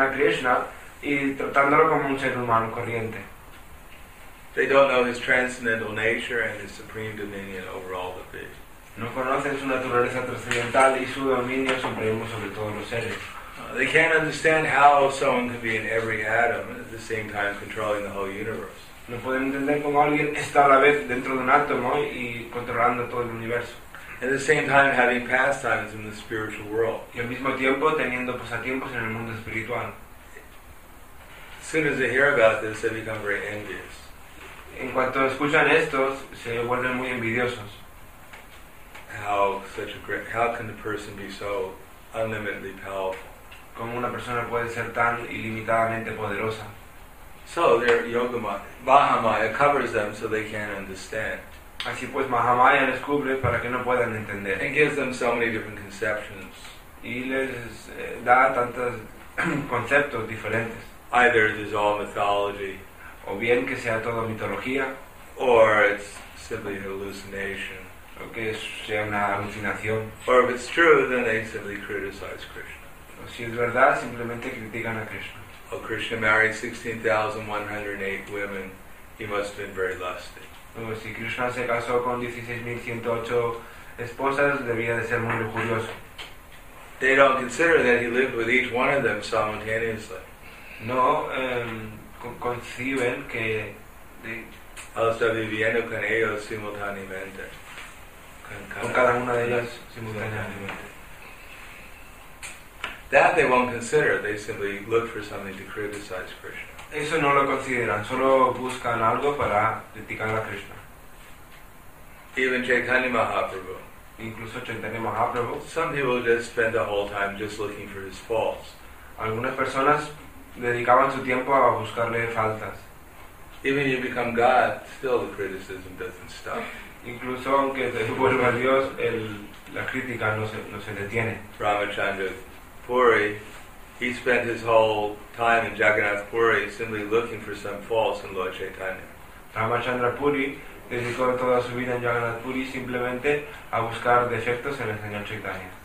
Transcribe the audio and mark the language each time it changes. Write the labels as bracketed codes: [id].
[es] a Krishna y tratándolo como un ser humano corriente. [en] They don't know his transcendental nature and his supreme dominion over all the beings. [es] No conocen su naturaleza trascendental y su dominio supremo sobre todos los seres. [en] They can't understand how someone could be in every atom at the same time controlling the whole universe. [es] No pueden entender cómo alguien está a la vez dentro de un átomo y controlando todo el universo. [en] At the same time having pastimes in the spiritual world. [es] Y al mismo tiempo teniendo pasatiempos en el mundo espiritual. [en] As soon as they hear about this, they become very envious. [es] En cuanto escuchan estos, se vuelven muy envidiosos. [en] How can the person be so unlimitedly powerful? [es] ¿Cómo una persona puede ser tan ilimitadamente poderosa? [en] So their Mahamaya covers them so they can't understand. [es] Así pues, Mahamaya les cubre para que no puedan entender. [en] And gives them so many different conceptions. [es] Y les da tantos conceptos diferentes. [en] Either it is all mythology. [es] O bien que sea todo mitología. [en] Or it's simply hallucination. [es] O que sea una alucinación. [en] Or if it's true, then they simply criticize Krishna. [es] O si es verdad, simplemente critican a Krishna. [en] Oh, Krishna married 16,108 women. He must have been very lusty. [es] Si Krishna se casó con 16,108 esposas, debía de ser muy lujurioso. [en] They don't consider that he lived with each one of them simultaneously. [es] No, conciben que... Él está viviendo con ellos simultáneamente. Con cada una de ellas simultáneamente. [en] That they won't consider. They simply look for something to criticize Krishna. [es] Eso no lo consideran, solo buscan algo para criticar a Krishna. [en] Even Chaitanya Mahaprabhu. [es] Incluso Chaitanya Mahaprabhu. [en] Some people just spend the whole time just looking for his faults. [es] Algunas personas dedicaban su tiempo a buscarle faltas. [en] Even if you become God, still the criticism doesn't stop. [es] Incluso aunque te vuelva Dios, la crítica no se detiene. [en] Ramachandra Puri. He spent his whole time in Jagannath Puri simply looking for some faults in Lord Chaitanya. [es] Ramachandra Puri dedicó toda su vida en Jagannath Puri simplemente a buscar defectos en el señor Chaitanya.